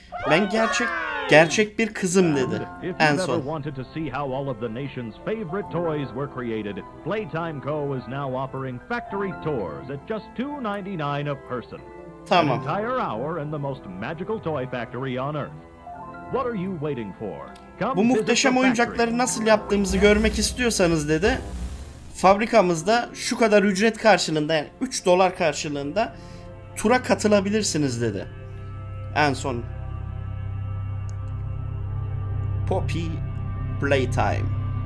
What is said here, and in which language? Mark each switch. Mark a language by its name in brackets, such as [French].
[Turkish] Ben gerçek bir kızım dedi en son. [English] Wanted to see how all of the nation's favorite toys were created. Playtime Co is now offering factory tours at just $2.99 a person. Tamam. An entire hour in the most magical toy factory on earth. What are you waiting for? [Turkish] Bu muhteşem oyuncakları nasıl yaptığımızı görmek istiyorsanız dedi. Fabrikamızda şu kadar ücret karşılığında, yani 3 dolar karşılığında tura katılabilirsiniz dedi. En son. [English] Poppy Playtime.